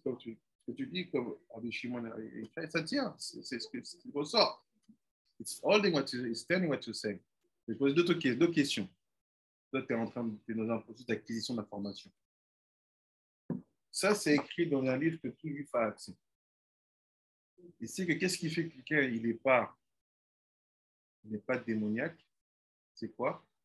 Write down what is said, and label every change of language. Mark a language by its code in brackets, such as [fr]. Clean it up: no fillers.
[fr] Comme tu dis, comme Rabbi Shimon, ça tient. C'est ce qui ressort. [en] It's holding what you, it's telling what you say. [fr] Je pose deux questions. Toi, tu es en train de dans un processus d'acquisition d'information. Ça, c'est écrit dans un livre que tout juif a accès. Et c'est que qu'est-ce qui fait que quelqu'un n'est pas démoniaque? C'est quoi?